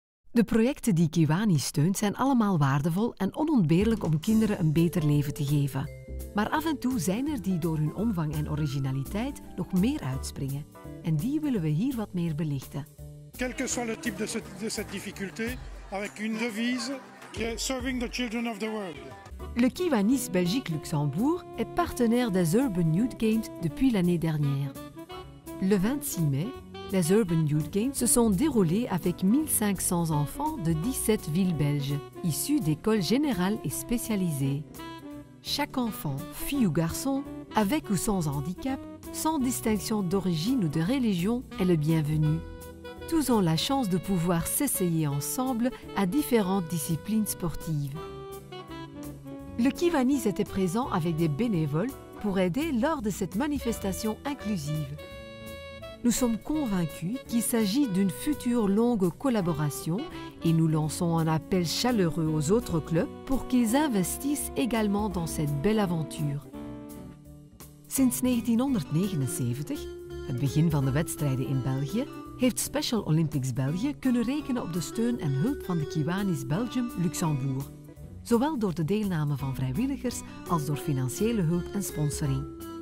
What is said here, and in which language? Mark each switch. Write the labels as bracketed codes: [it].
[nl] De projecten die Kiwani steunt zijn allemaal waardevol en onontbeerlijk om kinderen een beter leven te geven. Maar af en toe zijn er die door hun omvang en originaliteit nog meer uitspringen. En die willen we hier wat meer belichten. [fr] Quel que soit le type de cette difficulté, avec une devise qui est [en] serving the children of the world. [fr] Le Kiwanis Belgique-Luxembourg est partenaire des Urban Youth Games depuis l'année dernière. Le 26 mai, les Urban Youth Games se sont déroulés avec 1500 enfants de 17 villes belges, issus d'écoles générales et spécialisées. Chaque enfant, fille ou garçon, avec ou sans handicap, sans distinction d'origine ou de religion, est le bienvenu. Tous ont la chance de pouvoir s'essayer ensemble à différentes disciplines sportives. Le Kiwanis était présent avec des bénévoles pour aider lors de cette manifestation inclusive. Nous sommes convaincus qu'il s'agit d'une future longue collaboration et nous lançons un appel chaleureux aux autres clubs pour qu'ils investissent également dans cette belle aventure. [nl] Sinds 1979, het begin van de wedstrijden in België, heeft Special Olympics België kunnen rekenen op de steun en hulp van de Kiwanis Belgium Luxembourg. Zowel door de deelname van vrijwilligers als door financiële hulp en sponsoring.